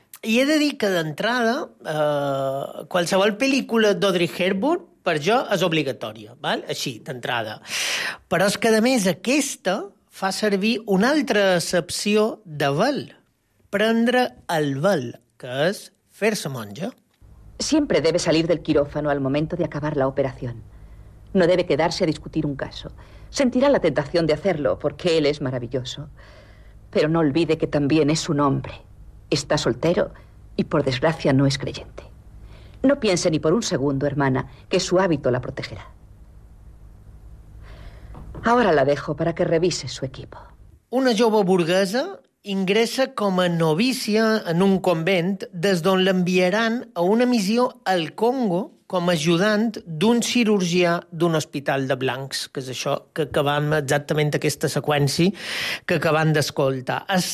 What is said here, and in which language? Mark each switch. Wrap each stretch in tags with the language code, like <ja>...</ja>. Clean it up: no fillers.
<ca>I he de dir que, d'entrada, qualsevol pel·lícula d'Audrey Hepburn, per jo, és obligatòria, val? Així, d'entrada. Però és que, a més, aquesta fa servir una altra excepció de vel. Prendre el vel, que és fer-se monja.</ca> <es>Siempre debe salir del quirófano al momento de acabar la operación. No debe quedarse a discutir un caso. Sentirá la tentación de hacerlo, porque él es maravilloso. Pero no olvide que también es un hombre. Está soltero y, por desgracia, no es creyente. No piense ni por un segundo, hermana, que su hábito la protegerá. Ahora la dejo para que revise su equipo.</es> <ca>Una jove burguesa ingressa com a novícia en un convent des d'on l'enviaran a una missió al Congo com a ajudant d'un cirurgià d'un hospital de blancs, que és això que acabam exactament aquesta seqüència que acabam d'escoltar.</ca>